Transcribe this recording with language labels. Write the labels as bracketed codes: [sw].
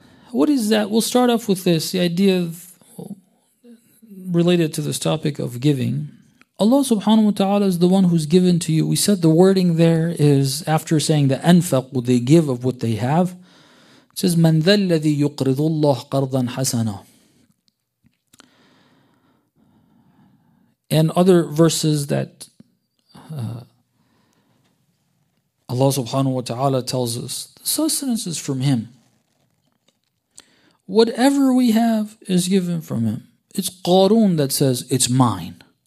[en] What is that? We'll start off with this, the idea of, related to this topic of giving. Allah subhanahu wa ta'ala is the one who's given to you. We said the wording there is, after saying the anfaq, will they give of what they have? It says, [ar] مَنْ ذَا الَّذِي يُقْرِضُ اللَّهُ قَرْضًا حَسَنًا. [en] And other verses that Allah subhanahu wa ta'ala tells us, the sustenance is from Him. Whatever we have is given from Him. It's Qarun that says, it's mine.